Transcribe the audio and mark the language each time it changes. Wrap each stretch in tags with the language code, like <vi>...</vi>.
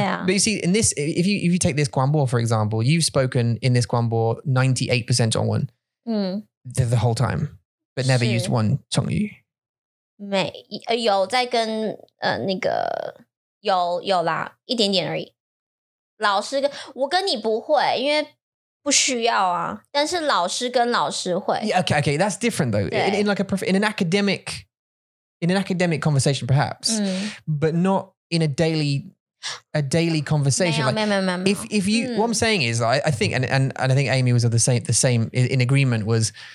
<en>But you see, in this, if you take this guanbo, for example, you've spoken in this guanbo 98% 中文。 The whole time, but never used one 成语。</en> <zh>有在跟那个有啦，一点点而已。老师跟我跟你不会，因为不需要啊。但是老师跟老师会。</zh> <en>Yeah, okay, that's different though. In an academic conversation, perhaps, but not in a daily conversation. If you, what I'm saying is, I think, and I think Amy was the same in agreement was.</en>